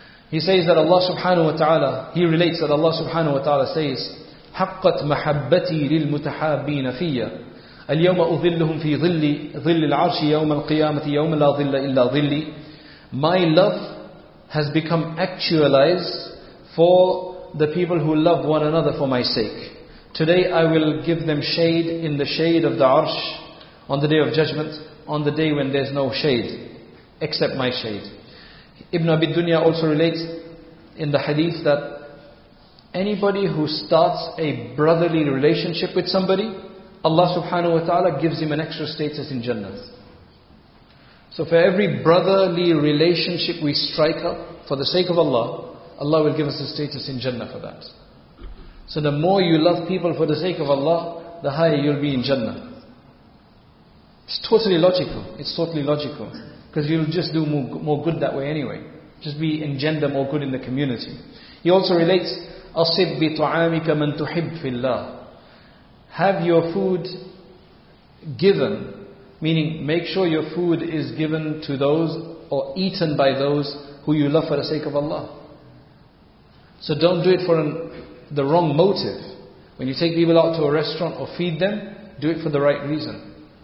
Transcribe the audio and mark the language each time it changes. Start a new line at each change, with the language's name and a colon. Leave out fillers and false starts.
English: He says that Allah subhanahu wa ta'ala, he relates that Allah subhanahu wa ta'ala says,
Arabic: حَقَّتْ مَحَبَّتِي لِلْمُتَحَابِينَ فِيَّ الْيَوْمَ أُذِلُّهُمْ فِي ظِلِّي ظِلِّ الْعَرْشِ يَوْمَ الْقِيَامَةِ يَوْمَ لَا ظِلَّ إِلَّا ظِلِّي.
English: My love has become actualized for the people who love one another for my sake. Today I will give them shade in the shade of the arsh on the day of judgment, on the day when there's no shade except my shade. Ibn Abi Dunya also relates in the hadith that anybody who starts a brotherly relationship with somebody, Allah subhanahu wa ta'ala gives him an extra status in Jannah. So for every brotherly relationship we strike up for the sake of Allah, Allah will give us a status in Jannah for that. So the more you love people for the sake of Allah, the higher you'll be in Jannah. It's totally logical. Because you'll just do more good that way anyway. Just be engender more good in the community. He also relates,
Arabic: أَصِبْ بِطُعَامِكَ مَنْ تُحِبْ فِي اللَّهِ.
English: Have your food given, meaning make sure your food is given to those or eaten by those who you love for the sake of Allah. So don't do it for the wrong motive. When you take people out to a restaurant or feed them, do it for the right reason.